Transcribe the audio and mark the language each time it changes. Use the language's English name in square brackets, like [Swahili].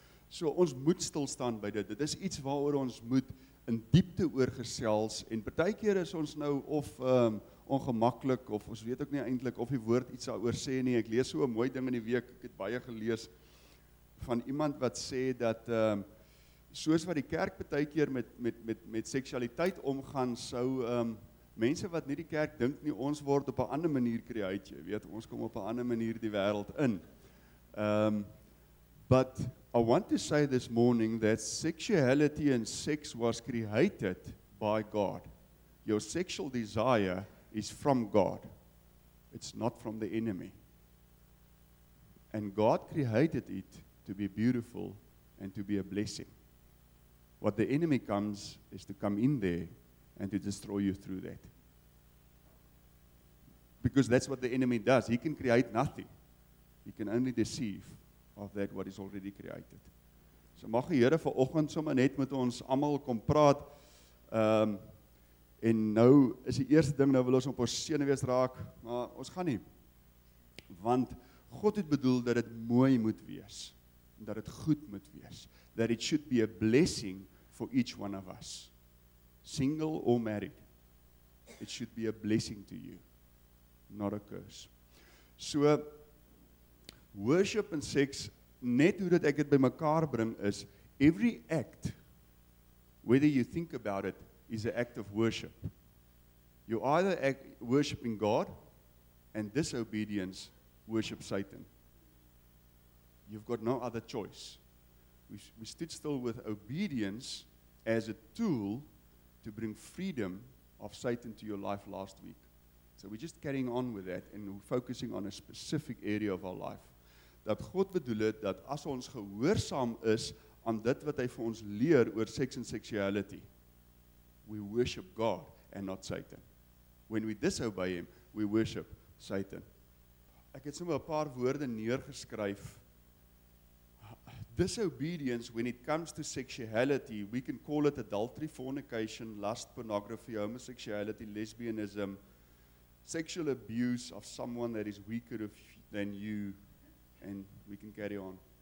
[Afrikaans] So ons moet stilstaan by dit, dit is iets waaroor ons moet in diepte oorgesels, en partykeer is ons nou of ongemaklik, of ons weet ook nie eintlik of die woord iets daaroor sê nie, ek lees so 'n mooi ding in die week, ek het baie gelees van iemand wat sê dat soos wat die kerk partykeer met seksualiteit omgaan, sou mense wat nie die kerk dink nie, ons word op 'n ander manier create, jy weet, ons kom op 'n ander manier die wêreld in. [English] But I want to say this morning that sexuality and sex was created by God. Your sexual desire is from God. It's not from the enemy. And God created it to be beautiful and to be a blessing. What the enemy comes is to come in there and to destroy you through that. Because that's what the enemy does. He can create nothing. He can only deceive of that what is already created. [Afrikaans] So mag die Here vanoggend sommer net met ons almal kom praat. En nou is die eerste ding, nou wil ons op ons senuwees raak, maar ons gaan nie. Want God het bedoel dat dit mooi moet wees, en dat dit goed moet wees. [English] That it should be a blessing for each one of us. Single or married. It should be a blessing to you, not a curse. So, worship and sex, [Afrikaans] net hoe dat ek dit by mekaar bring is, [English] every act, whether you think about it, is an act of worship. You either act worshiping God, and disobedience worship Satan. You've got no other choice. We stood still with obedience as a tool to bring freedom of Satan to your life last week. So we're just carrying on with that, and we're focusing on a specific area of our life. [Afrikaans] Dat God bedoel het, dat as ons gehoorsaam is aan dit wat hy vir ons leer oor seks en sexuality, [English] we worship God and not Satan. When we disobey him, we worship Satan. [Afrikaans] Ek het sommer 'n paar woorde neergeskryf. [English] Disobedience, when it comes to sexuality, we can call it adultery, fornication, lust, pornography, homosexuality, lesbianism, sexual abuse of someone that is weaker than you, and we can carry on.